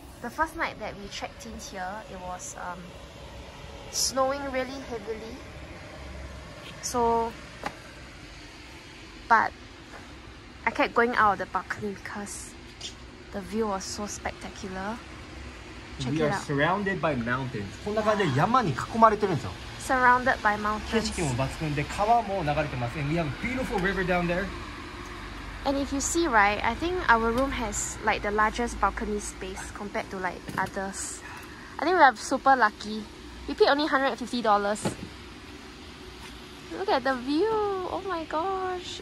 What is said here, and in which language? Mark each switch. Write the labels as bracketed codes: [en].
[en] The first night that we checked in here, it was snowing really heavily. So, but I kept going out of the balcony because the view was so spectacular. Check we it out. We are surrounded by mountains. [ja] こんな感じで山に囲まれてるんですよ。 [en] Surrounded by mountains. [ja] 景色も抜群で川も流れてます。 [en] And we have a beautiful river down there. And if you see right, I think our room has like the largest balcony space compared to like others. I think we are super lucky. We paid only $150. Look at the view. Oh my gosh.